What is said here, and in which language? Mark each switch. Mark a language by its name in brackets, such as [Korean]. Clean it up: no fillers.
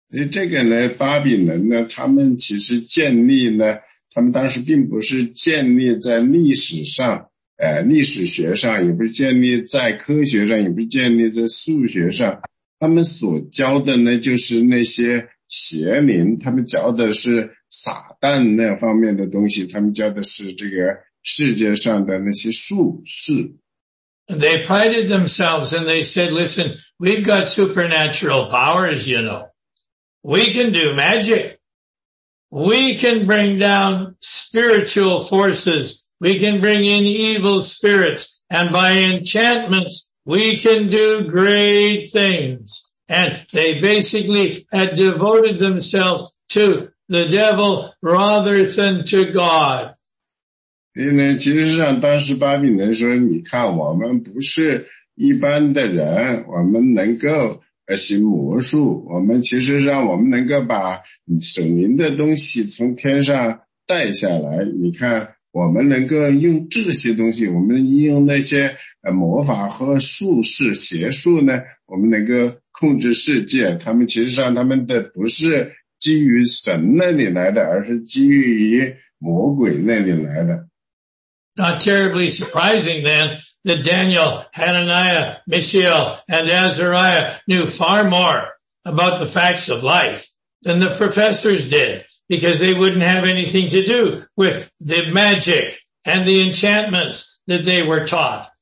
[Chinese] 这个呢，巴比伦呢，他们其实建立呢，他们当时并不是建立在历史上，历史学上，也不是建立在科学上，也不是建立在数学上。他们所教的呢，就是那些邪灵，他们教的是撒旦那方面的东西，他们教的是这个世界上的那些术士。 [English] They prided themselves and they said, listen, we've got supernatural powers, you know. We can do magic. We can bring down spiritual forces. We can bring in evil spirits. And by enchantments, we can do great things. And they basically had devoted themselves to the devil rather than to God. [Chinese] 所以呢，其实上当时巴比伦说，你看我们不是一般的人，我们能够行魔术，我们其实让我们能够把神灵的东西从天上带下来，你看我们能够用这些东西，我们用那些魔法和术士邪术呢，我们能够控制世界。他们其实上他们的不是基于神那里来的，而是基于魔鬼那里来的。 [English] Not terribly surprising then that Daniel, Hananiah, Mishael, and Azariah knew far more about the facts of life than the professors did because they wouldn't have anything to do with the magic and the enchantments that they were taught.